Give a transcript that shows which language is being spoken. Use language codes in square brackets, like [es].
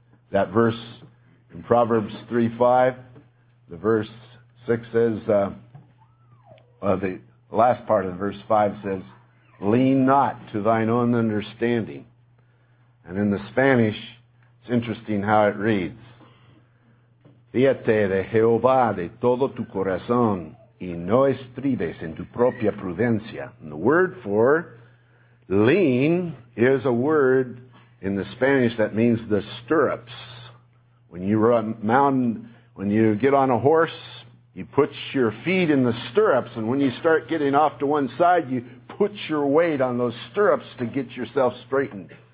[en] That verse in Proverbs 3:5, the verse 6 says, the last part of verse 5 says, lean not to thine own understanding. And in the Spanish, it's interesting how it reads. [es] Fíate de Jehová de todo tu corazón y no estribes en tu propia prudencia. [en] And the word for lean is a word in the Spanish that means the stirrups. When you run mountain, when you get on a horse, you put your feet in the stirrups, and when you start getting off to one side, you put your weight on those stirrups to get yourself straightened.